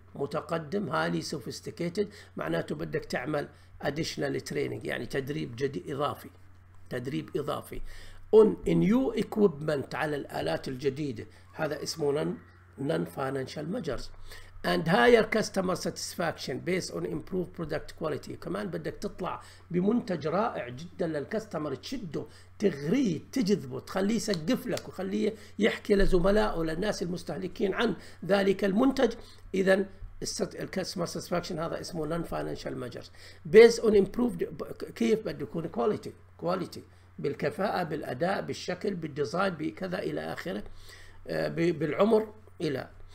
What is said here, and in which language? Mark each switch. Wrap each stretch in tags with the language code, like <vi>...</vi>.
<ar>متقدم هايلي سوفيستيكيتد، معناته بدك تعمل اديشنال تريننج، يعني تدريب جديد اضافي، تدريب اضافي اون نيو اكويبمنت، على الالات الجديده. هذا اسمه نون فاينانشال ميجرز.</ar> <en>And higher customer satisfaction based on improved product quality.</en> <ar>كمان بدك تطلع بمنتج رائع جدا للكاستمر، تشده، تغريه، تجذبه، تخليه يسقف لك وخليه يحكي لزملائه، للناس المستهلكين عن ذلك المنتج. إذا الكاستمر ساتسفاكشن هذا اسمه نون فاينانشال ميجرز.</ar> <en>Based on improved</en> <ar>كيف بده يكون كواليتي، كواليتي بالكفاءة، بالأداء، بالشكل، بالديزاين، بكذا إلى آخره، بالعمر إلى.</ar>